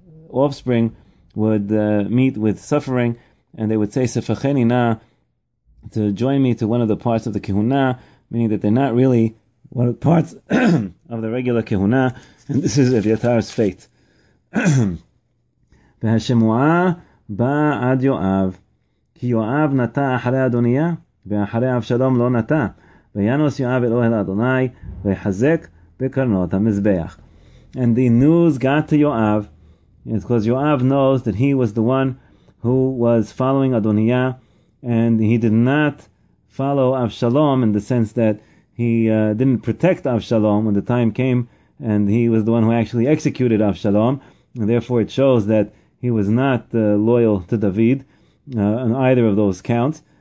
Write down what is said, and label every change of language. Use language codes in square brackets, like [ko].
[en] offspring would meet with suffering, and they would say, [he] Sefacheni na, [en] to join me to one of the parts of the kihuna, meaning that they're not really one of the parts of the regular kihuna, and this is Eviatar's fate. [he] והשמועה באה עד יואב, כי יואב נטע אחרי אדוניה, ואחרי אבשלום לא נטע, וינוס יואב אל אוהל אדוני, ויחזק בקרנות המזבח. [en] And the news got to Yoav, because Yoav knows that he was the one who was following Adonia, and he did not follow Avshalom in the sense that he didn't protect Avshalom when the time came, and he was the one who actually executed Avshalom, and therefore it shows that he was not loyal to David on either of those counts.